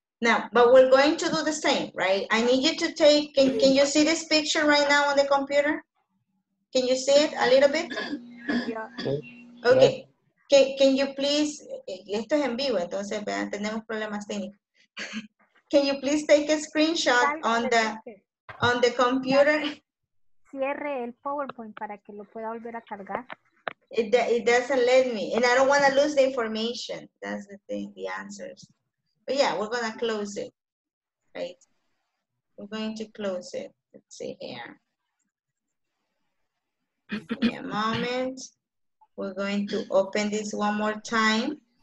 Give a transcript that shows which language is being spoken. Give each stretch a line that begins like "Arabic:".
English: Now, but we're going to do the same, right? I need you to take, can you see this picture right now on the computer? Can you see it a little bit? Yeah. Okay. Yeah. Can you please,
Spanish: esto es en vivo, entonces tenemos problemas técnicos.
English: Can you please take a screenshot on the computer?
Spanish: Cierre el PowerPoint para que lo pueda volver a cargar.
English: It doesn't let me, and I don't want to lose the information. That's the thing, the answers. But yeah, we're going to close it, right? We're going to close it. Let's see here. Give me a moment. We're going to open this one more time.